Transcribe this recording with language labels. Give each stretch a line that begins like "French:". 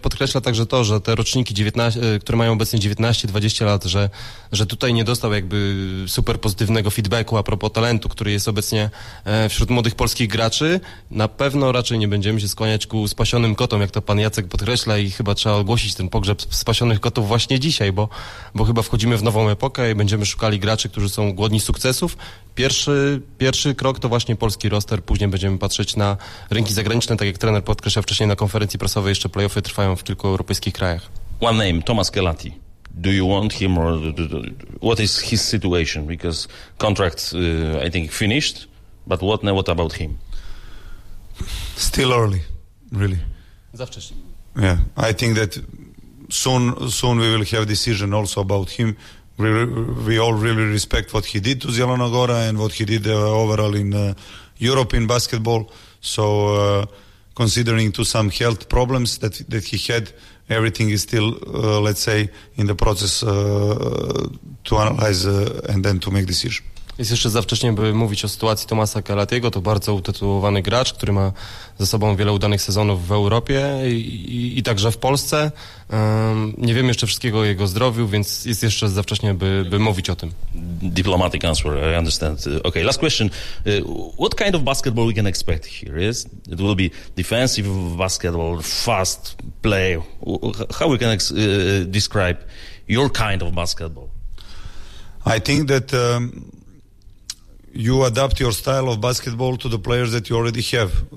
Polish: Podkreśla także to, że te roczniki, które mają obecnie 19-20 lat, że tutaj nie dostał jakby super pozytywnego feedbacku a propos talentu, który jest obecnie wśród młodych polskich graczy, na pewno raczej nie będziemy się skłaniać ku spasionym kotom, jak to pan Jacek podkreśla i chyba trzeba ogłosić ten pogrzeb spasionych kotów właśnie dzisiaj, bo chyba wchodzimy w nową epokę i będziemy szukali graczy, którzy są głodni sukcesów. Pierwszy krok to właśnie polski roster, później będziemy patrzeć na rynki zagraniczne, tak jak trener podkreślał wcześniej na konferencji prasowej, jeszcze play-offy trwają w kilku europejskich krajach.
English: One name, Thomas Kelati. Do you want him or what is his situation? Because contract, I think, finished. But what now? What about him? Still early, really.
Polish: Za wcześnie.
English: Yeah, I think that soon we will have a decision also about him. We all really respect what he did to Zielona Góra and what he did overall in European basketball. So considering to some health problems that he had, everything is still, let's say, in the process to analyze and then to make decision.
Polish: Jest jeszcze za wcześnie, by mówić o sytuacji Tomasa Kelatiego. To bardzo utytułowany gracz, który ma za sobą wiele udanych sezonów w Europie i także w Polsce. Nie wiemy jeszcze wszystkiego o jego zdrowiu, więc jest jeszcze za wcześnie, by mówić o tym.
English: Diplomatic answer, I understand. Okay, last question. What kind of basketball we can expect here? Is it will be defensive basketball, fast play? How we can describe your kind of basketball? I think that you adapt your style of basketball to the players that you already have.